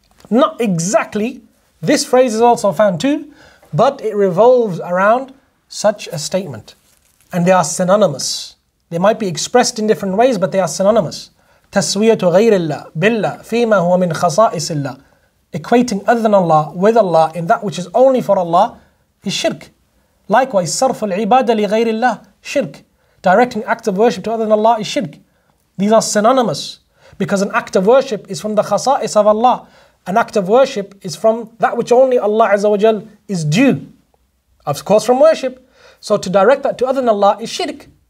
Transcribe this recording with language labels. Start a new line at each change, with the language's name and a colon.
English: Not exactly, this phrase is also found too, but it revolves around such a statement. And they are synonymous. They might be expressed in different ways, but they are synonymous.
Arabic: تَسْوِيَةُ غَيْرِ اللَّهِ بِاللَّهِ فِي مَا هُوَ مِنْ خَصَائِسِ اللَّهِ. Equating other than Allah with Allah in that which is only for Allah is shirk.
English: Likewise,
Arabic: صَرْفُ الْعِبَادَ لِغَيْرِ اللَّهِ shirk.
English: Directing acts of worship to other than Allah is shirk. These are synonymous. Because an act of worship is from the khasa'is of Allah. An act of worship is from that which only Allah Azza wa Jal is due. Of course, from worship. So to direct that to other than Allah is shirk.